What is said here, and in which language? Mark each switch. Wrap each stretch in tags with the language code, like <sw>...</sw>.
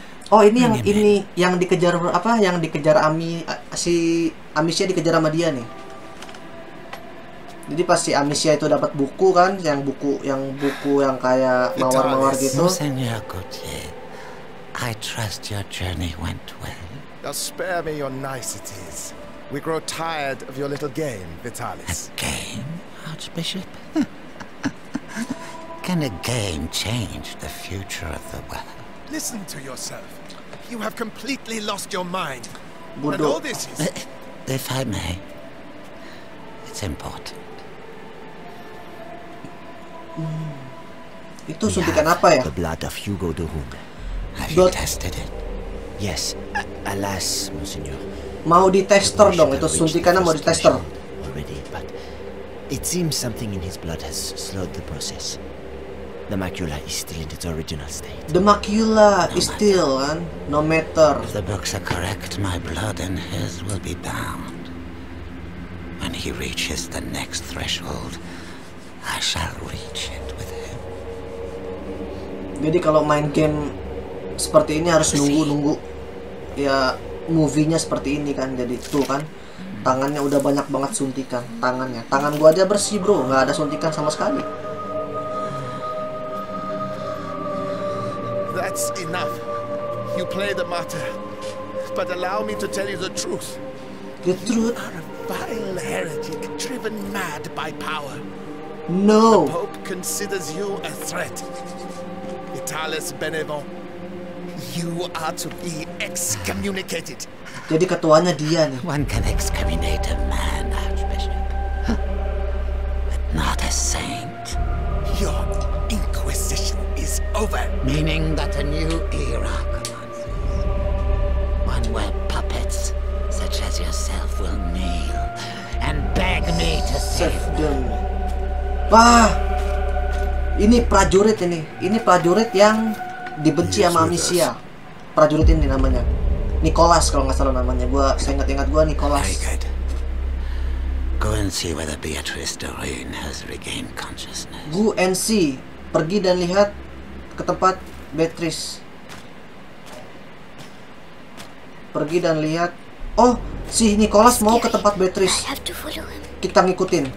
<id>Oh, ini yang ini yang dikejar apa? Yang dikejar Ami si Amicia dikejar sama dia nih. Jadi pasti Amicia itu dapat buku kan, yang buku yang kayak mawar-mawar gitu.</id> <en>Senior Gucci, I trust your journey went well. Now spare me your niceties. We grow tired of your little game, Vitalis. A game, Archbishop? Can a game change the future of the world? Listen to yourself. You have completely lost your mind. Budo. And all this is... If I may, it's important.</en> <id>Itu suntikan apa ya?</id> <en>The blood of Hugo de Rouge. Have you tested it? Yes, alas, Monsignor.</en> <id>Mau di tester dong, itu suntikannya mau di tester.</id> <en>Already, but it seems something in his blood has slowed the process. The macula is still in its original state. The macula is still, no matter. If the books are correct, my blood and his will be bound. When he reaches the next threshold, I shall reach it with him.</en> <id>Jadi kalau main game seperti ini harus nunggu-nunggu ya movie-nya seperti ini kan, jadi tuh kan tangannya udah banyak banget suntikan, tangannya, tangan gua aja bersih bro, nggak ada suntikan sama sekali.</id> <en>That's enough, you play the martyr, but allow me to tell you the truth. You are a vile heretic driven mad by power. No, the Pope considers you a threat. Vitalis Benevent, you are to be excommunicated.</en> <id>Jadi ketuanya dia nih.</id> <en>One can excommunicate a man, Archbishop, but not a saint. Your Inquisition is over. Meaning that a new era commences. One where puppets such as yourself will kneel and beg me to save them.</en> <id>Wah, ini prajurit ini. Ini prajurit yang dibenci sama Amicia. Prajurit ini namanya Nicholas kalau nggak salah namanya. Gua ingat-ingat gua Nicholas.</id> <en>Go and see whether Beatrice Doreen has regained consciousness. Go and see.</en> <id>Pergi dan lihat ke tempat Beatrice. Pergi dan lihat. Oh, si Nicholas mau ke tempat Beatrice. Kita ngikutin.</id>